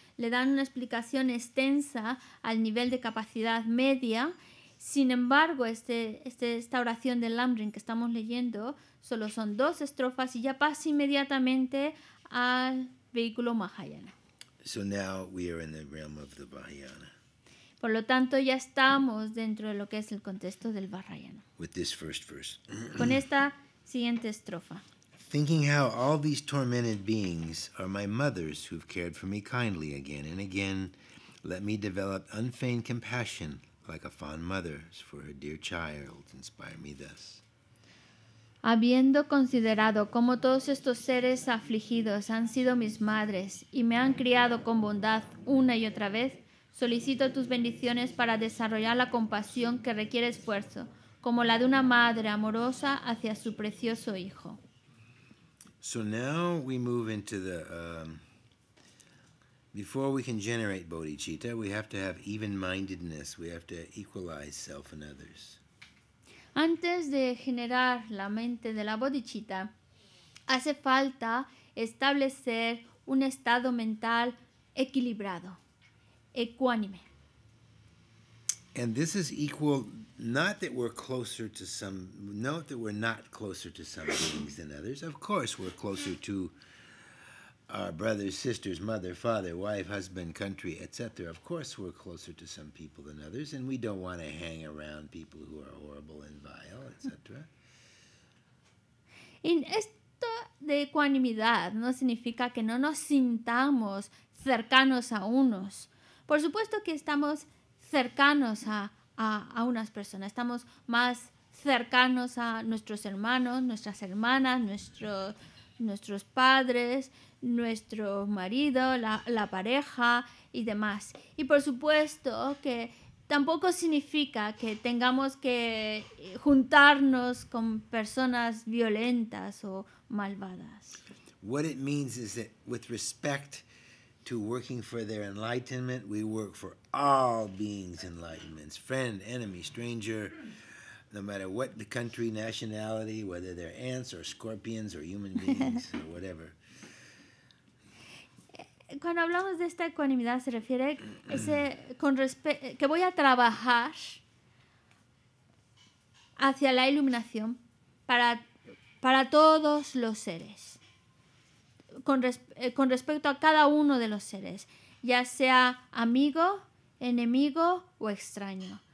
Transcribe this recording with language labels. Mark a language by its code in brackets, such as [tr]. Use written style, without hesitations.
[es] Le dan una explicación extensa al nivel de capacidad media. Sin embargo, esta oración del Lamrim que estamos leyendo solo son dos estrofas y ya pasa inmediatamente al vehículo Mahayana. [en] So now we are in the realm of the Mahayana. [es] Por lo tanto, ya estamos dentro de lo que es el contexto del Vajrayana. [en] With this first verse. [es] Con esta siguiente estrofa. [en] Thinking how all these tormented beings are my mothers who've cared for me kindly again and again, let me develop unfeigned compassion like a fond mother for her dear child. Inspire me thus. [es] Habiendo considerado cómo todos estos seres afligidos han sido mis madres y me han criado con bondad una y otra vez, solicito tus bendiciones para desarrollar la compasión que requiere esfuerzo, como la de una madre amorosa hacia su precioso hijo. [en] So now we move into the... Before we can generate bodhicitta, we have to have even-mindedness. We have to equalize self and others. [es] Antes de generar la mente de la bodhicitta, hace falta establecer un estado mental equilibrado, ecuánime. [en] And this is equal, not that we're closer to some, note that we're not closer to some beings than others. Of course, we're closer to our brothers, sisters, mother, father, wife, husband, country, etc. Of course, we're closer to some people than others, and we don't want to hang around people who are horrible and vile, etc. [es] En esto de ecuanimidad no significa que no nos sintamos cercanos a unos. Por supuesto que estamos cercanos a unas personas. Estamos más cercanos a nuestros hermanos, nuestras hermanas, nuestros nuestros padres, nuestro marido, la pareja y demás. Y por supuesto que tampoco significa que tengamos que juntarnos con personas violentas o malvadas. [en] What it means is that with respect to working for their enlightenment, we work for all beings' enlightenments, friend, enemy, stranger, no matter what the country, nationality, whether they're ants or scorpions or human beings or whatever. [es] Cuando hablamos de esta ecuanimidad se refiere ese con respecto que voy a trabajar hacia la iluminación para todos los seres con respecto a cada uno de los seres, ya sea amigo, enemigo o extraño.